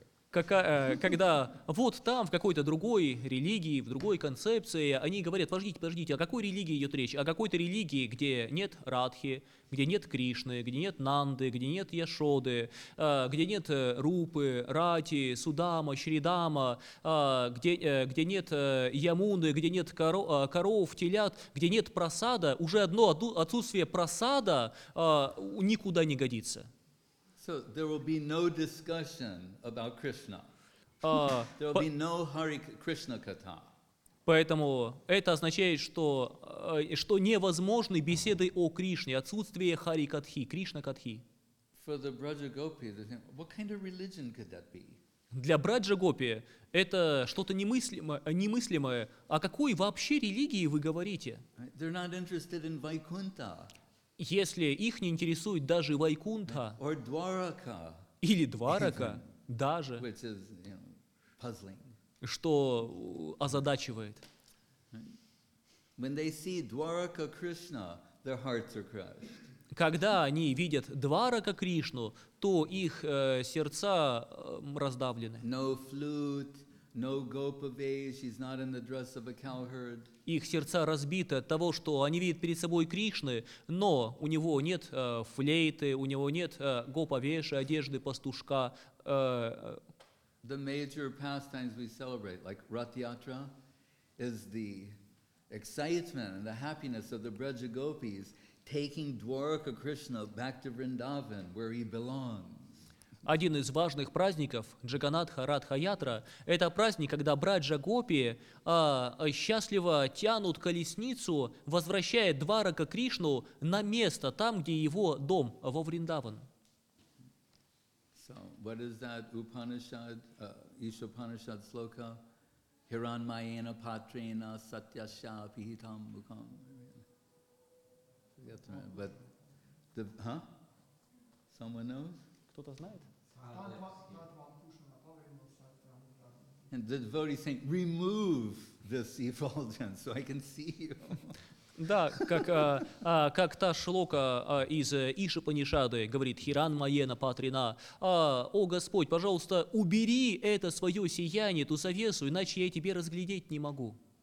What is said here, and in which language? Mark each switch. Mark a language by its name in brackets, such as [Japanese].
[Russian] Когда вот там, в какой-то другой религии, в другой концепции, они говорят, подождите, подождите, о какой религии идет речь? О какой-то религии, где нет Радхи, где нет Кришны, где нет Нанды, где нет Яшоды, где нет Рупы, Рати, Судама, Шридама, где нет Ямуны, где нет коров, телят, где нет просада. Уже одно отсутствие просада никуда не годится. [English] So there will be no discussion about Krishna. There will be no Hare Krishna katha. [Russian] Поэтому это означает, что что невозможны беседы о Кришне, отсутствие Хари катхи, Кришна катхи. [English] For the Braja Gopi, they think, what kind of religion could that be? [Russian] Для Браджа Гопи это что-то немыслимое. О какой вообще религии вы говорите? [English] They're not interested in Vaikuntha. [Russian] Если их не интересует даже Вайкунта [English] Dwaraka, [Russian] или Дварака, даже, [English] which is, you know, [Russian] что озадачивает. [English] When they see Dwaraka Krishna, their hearts are crushed. [Russian] Когда они видят Дварака Кришну, то их сердца раздавлены. [English] No flute. No Gopavesh, he's not in the dress of a cowherd. [Russian] Их сердца разбиты от того, что они видят перед собой Кришны, но у него нет флейты, у него нет гопавеши, одежды пастушка. [English] The major pastimes we celebrate, like Rath Yatra, is the excitement and the happiness of the Braja Gopis taking Dwaraka Krishna back to Vrindavan, where he belongs. [Russian] Один из важных праздников Джаганатха Радха Ятра – это праздник, когда Браджа Гопи счастливо тянут колесницу, возвращая Дварака Кришну на место, там, где его дом, во Вриндаван. [English] So, what is that Upanishad, Ishopanishad slokha? [Sanskrit] Hiranmayena patrena satyasya pihitam mukham. [English] But, the, huh? Someone knows? [Russian] Кто-то знает? [English] And the devotees saying, "Remove this effulgence so I can see you." [Russian] Да, как та шлока из Ишопанишады говорит: [Sanskrit] "Хиран Майена Патрина, [Russian] о Господь, пожалуйста, убери это свое сияние, ту завесу, иначе я тебе разглядеть не могу."